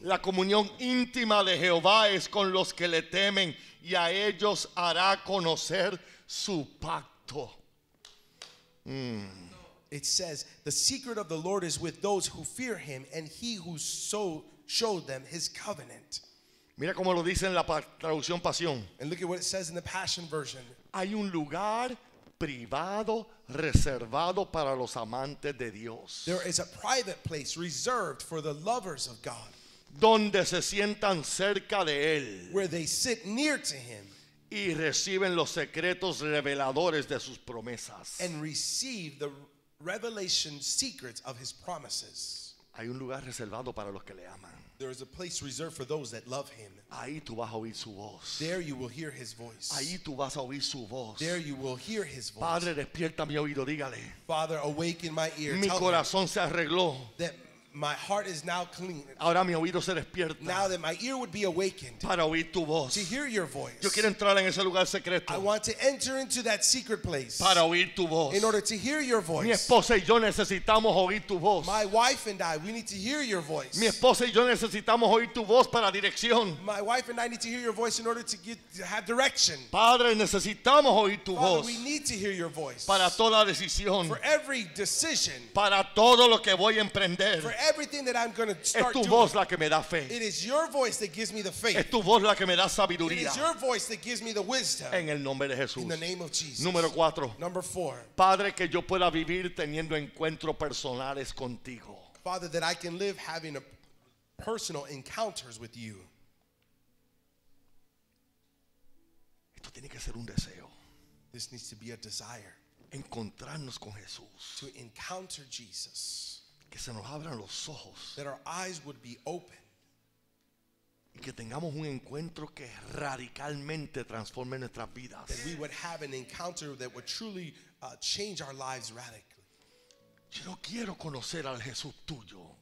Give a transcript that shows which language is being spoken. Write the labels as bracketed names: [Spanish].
[Spanish] La comunión íntima de Jehová es con los que le temen y a ellos hará conocer su pacto. [English] It says, the secret of the Lord is with those who fear him and he who so showed them his covenant. [Spanish] Mira cómo lo dice en la traducción Pasión. [English] And look at what it says in the Passion Version. [Spanish] Hay un lugar privado reservado para los amantes de Dios. [English] There is a private place reserved for the lovers of God. [Spanish] Donde se sientan cerca de él. [English] Where they sit near to him. [Spanish] Y reciben los secretos reveladores de sus promesas. [English] And receive the revelation secrets of his promises. [Spanish] Hay un lugar reservado para los que le aman. [English] There is a place reserved for those that love him. [Spanish] Ahí tú vas a oír su voz. [English] There you will hear his voice. [Spanish] Ahí tú vas a oír su voz. [English] There you will hear his voice. [Spanish] Padre, despierta mi oído, dígale. [English] Father, awaken my ear. [Spanish] Mi corazón se arregló. [English] That my heart is now clean. [Spanish] Ahora mi oído se despierta. [English] Now that my ear would be awakened. [Spanish] Para oír tu voz. [English] To hear your voice. [Spanish] Yo quiero entrar en ese lugar secreto. [English] I want to enter into that secret place. [Spanish] Para oír tu voz. [English] In order to hear your voice. [Spanish] Mi esposa y yo necesitamos oír tu voz. [English] My wife and I, we need to hear your voice. [Spanish] Mi esposa y yo necesitamos oír tu voz para dirección. [English] My wife and I need to hear your voice in order to get to have direction. [Spanish] Padre, necesitamos oír tu [English] Father, [Spanish] voz. [English] We need to hear your voice. [Spanish] Para toda decisión. [English] For every decision. [Spanish] Para todo lo que voy a emprender. [English] For everything that I'm going to start [Spanish] es tu [English] doing, [Spanish] voz la que me da fe. [English] It is your voice that gives me the faith. [Spanish] Es tu voz la que me da sabiduría. [English] It is your voice that gives me the wisdom. [Spanish] En el nombre de Jesús. [English] In the name of Jesus. [Spanish] Número cuatro. [English] Number four. [Spanish] Padre, que yo pueda vivir teniendo encuentros personales contigo. [English] Father, that I can live having a personal encounters with you. [Spanish] Esto tiene que ser un deseo. [English] This needs to be a desire. [Spanish] Encontrarnos con Jesús. [English] To encounter Jesus. [Spanish] Que se nos abran los ojos. [English] That our eyes would be open. [Spanish] Y que tengamos un encuentro que radicalmente transforme nuestras vidas. [English] That we would have an encounter that would truly change our lives radically. [Spanish] Yo no quiero conocer al Jesús tuyo.